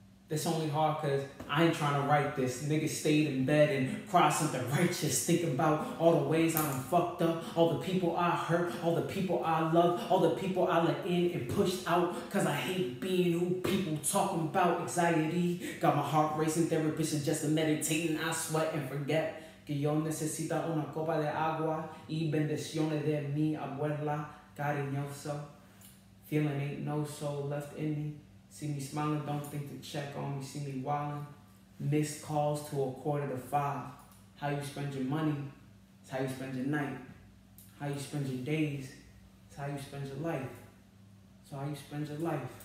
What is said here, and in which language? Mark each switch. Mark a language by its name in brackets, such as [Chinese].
[English] It's only hard cause I ain't trying to write this. Niggas stayed in bed and cried something righteous. Think about all the ways I'm fucked up, all the people I hurt, all the people I love, all the people I let in and pushed out. Cause I hate being who people talking about. Anxiety got my heart racing. Therapist suggesting meditating. I sweat and forget. [Spanish] Que yo necesito una copa de agua y bendiciones de mi abuela cariñoso. [English] Feeling ain't no soul left in me. See me smiling, don't think to check on me. See me wilding, missed calls to a quarter to five. How you spend your money, it's how you spend your night. How you spend your days, it's how you spend your life. So how you spend your life?